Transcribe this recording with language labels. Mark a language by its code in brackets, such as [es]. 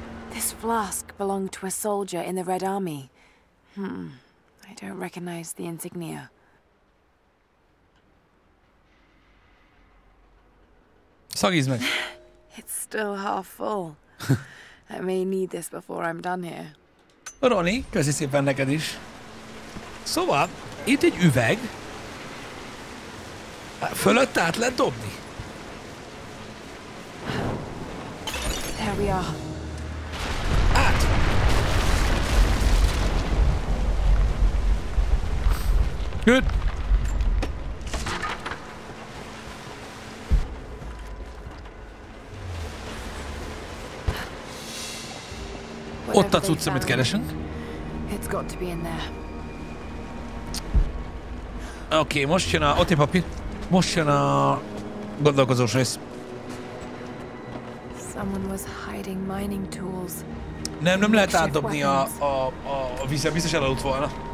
[en] This flask belonged to a soldier in the Red Army. Hmm. I don't recognize the insignia. [hu] Szagízd meg! [en] It's still half full. I may need this before I'm done here. [hu] Ronny, köszi szépen neked is. Szóval, itt egy üveg. Fölött át lehet dobni. [en] There we are. Good. [hu] Ott a cucc, amit keresünk. [en] It's got to be in there. [hu] Oké, okay, most jön a... Ott egy papír. Most jön a gondolkozós rész. [en] Someone was hiding mining tools. [hu] Nem lehet átdobni a vízre, biztos elaludt volna.